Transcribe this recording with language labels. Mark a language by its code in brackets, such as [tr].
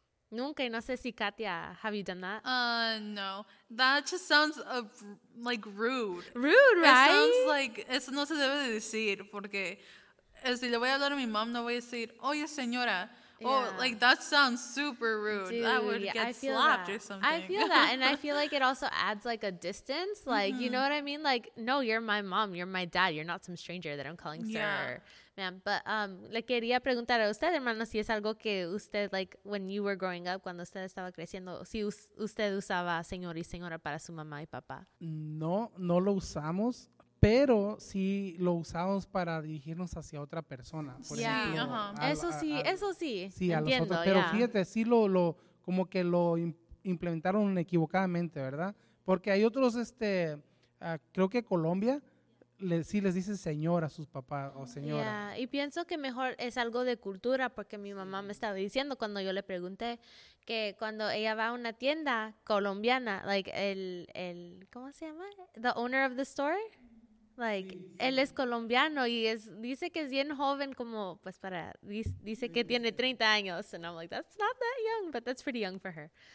[es] Nunca. Y no sé si Katia, [en] ¿have you done that? No. That just sounds like rude. Rude, right? It sounds like, [es] eso no se debe de decir porque si le voy a hablar a mi mamá, no voy a decir, oye, señora. [en] Yeah. Oh, like, that sounds super rude. Dude, that would get slapped that. Or something. I feel that. And I feel like it also adds, like, a distance. Like, mm-hmm. You know what I mean? Like, no, you're my mom. You're my dad. You're not some stranger that I'm calling sir yeah. or ma'am. But [es] le quería preguntar a usted, hermano, si es algo que usted, [en] like, when you were growing up, [es] cuando usted estaba creciendo, si usted usaba señor y señora para su mamá y papá. No lo usamos, pero sí lo usamos para dirigirnos hacia otra persona. Por sí, ejemplo, eso sí, eso sí. Sí, entiendo, a los otros. Pero [en] yeah. [es] fíjate, sí lo como que lo implementaron equivocadamente, ¿verdad? Porque hay otros, creo que Colombia, sí les dice señor a sus papás o señora. [en] Yeah. [es] Y pienso que mejor es algo de cultura, porque mi mamá me estaba diciendo cuando yo le pregunté que cuando ella va a una tienda colombiana, like el ¿cómo se llama? [en] The owner of the store. Like, [es] sí, sí. Él es colombiano y dice que es bien joven, como pues para, dice que tiene 30 años. [en] And I'm like, that's not that young, but that's pretty young for her.